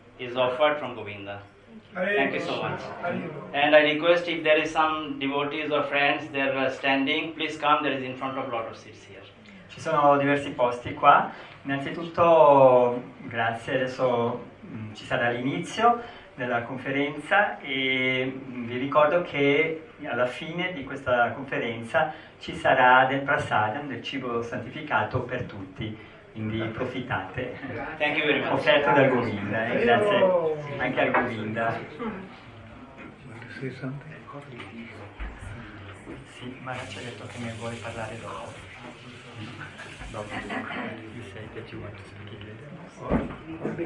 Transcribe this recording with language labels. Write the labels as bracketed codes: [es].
[en] Is offered from Govinda. Thank you so much. And I request if there is some devotees or friends there standing, please come. There is in front of lot of seats here. [it] Ci sono diversi posti qua. Innanzitutto, grazie, adesso ci sarà l'inizio della conferenza e vi ricordo che alla fine di questa conferenza ci sarà del prasadam, del cibo santificato per tutti, quindi approfittate. [en] Thank you very much. [it] Offerto da Govinda, e grazie anche a Govinda. Sì, ma ci ha detto che ne vuole parlare dopo. [en] You said that you want to speak in